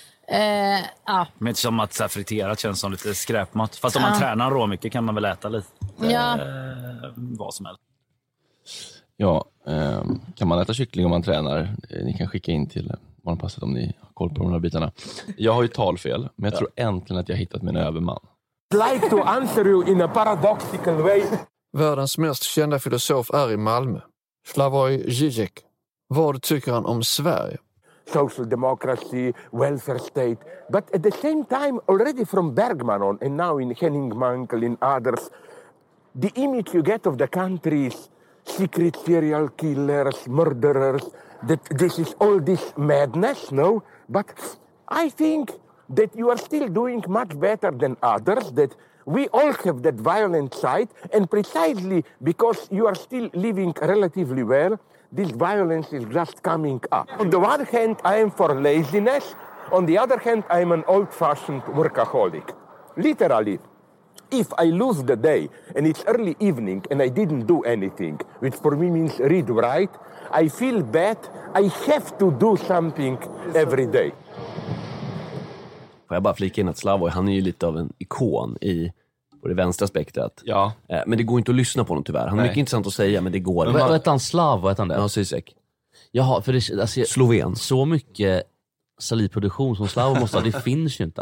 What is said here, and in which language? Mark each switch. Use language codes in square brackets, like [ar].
[sv] Men det är som att så här, friterat känns som lite skräpmat. Fast om man tränar rå mycket kan man väl äta lite vad som helst. Ja, kan man äta kyckling om man tränar? Ni kan skicka in till barnpasset om ni har koll på de här bitarna. Jag har ju talfel, men jag tror äntligen att jag har hittat min överman. [en] I'd like to answer you in a paradoxical way. [sv] Världens mest kända filosof är i Malmö, Slavoj Žižek. Vad tycker han om Sverige? [en] Social democracy, welfare state, but at the same time, already from Bergman on, and now in Henning Mankell, in others, the image you get of the country is secret serial killers, murderers, that this is all this madness, no? But I think that you are still doing much better than others, that we all have that violent side, and precisely because you are still living relatively well, this violence is just coming up. On the one hand, I am for laziness. On the other hand, I am an old-fashioned workaholic. Literally, if I lose the day and it's early evening and I didn't do anything, which for me means read, write, I feel bad. I have to do something every day. [sv] Får jag bara flika in att Slavoj, han är ju lite av en ikon i... På det vänstra spektrat. Ja. Men det går inte att lyssna på honom tyvärr. Han har mycket intressant att säga, men det går. Vad heter han? Slav, vad heter han det? Ja, Žižek. Jaha, för det är alltså, sloven. Så mycket salivproduktion som Slav måste ha, det finns ju inte.